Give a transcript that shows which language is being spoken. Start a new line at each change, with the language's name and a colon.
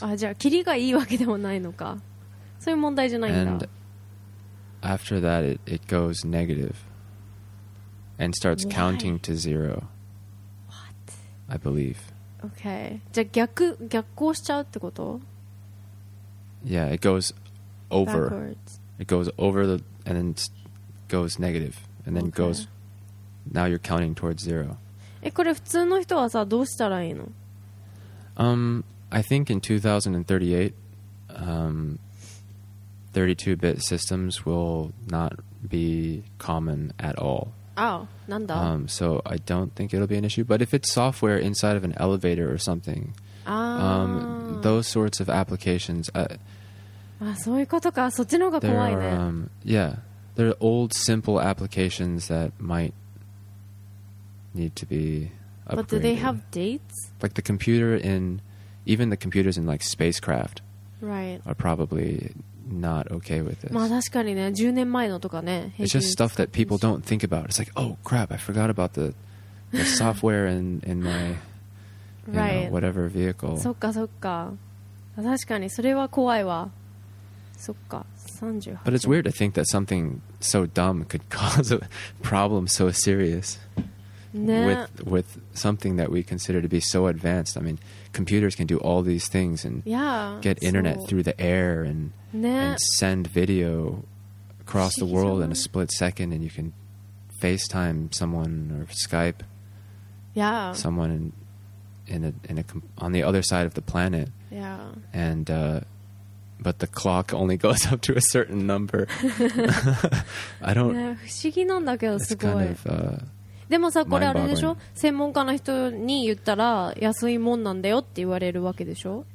Japanese: Ah, じゃあ、切りがいいわけでもないのか。そういう問題じゃないんだ。
English: And after that, it goes negative and starts Why? Counting to zero. What? I believe. Okay.
Japanese: じゃあ逆行しちゃうってこと?
English: Yeah, it goes over. Backwards. It goes over the, and then goes negative. And then、okay. goes, now you're counting towards zero.
Japanese: え、これ普通の人はさ、どうしたらいいの?
English: I think in 2038, 32-bit systems will not be common at all.
Japanese: Oh, なんだ?
English: So I don't think it'll be an issue. But if it's software inside of an elevator or something, those sorts of applications.
Japanese: そういうことか。そっちの方が怖いね。
English: There are, yeah, there are old simple applications that might need to be upgraded. But do they have dates? Like the computer in, even the computers in like spacecraft, right. are probably. Not okay with this.
Japanese: まあ確かにね、10年前のとかね。
English: It's just stuff that people don't think about. It's like, oh crap, I forgot about the software in my you right. know, whatever vehicle.
Japanese: そっかそっか。確かにそれは怖いわ。そっか、38。
English: But it's weird to think that something so dumb could cause a problem so serious、
Japanese: ね、
English: with something that we consider to be so advanced. I mean, computers can do all these things and yeah, get internet through the air and
Japanese: ね、
English: and send video across the world in a split second, and you can FaceTime someone or Skype、 yeah. someone in a on the other side of the planet. Yeah. And but the clock only goes up to a certain number. I don't.
Japanese: 不思議なんだけど、すごい。
English: It's kind of,
Japanese: でもさ、これあれでしょ？専門家の人に言ったら安いもんなんだよって言われるわけでしょ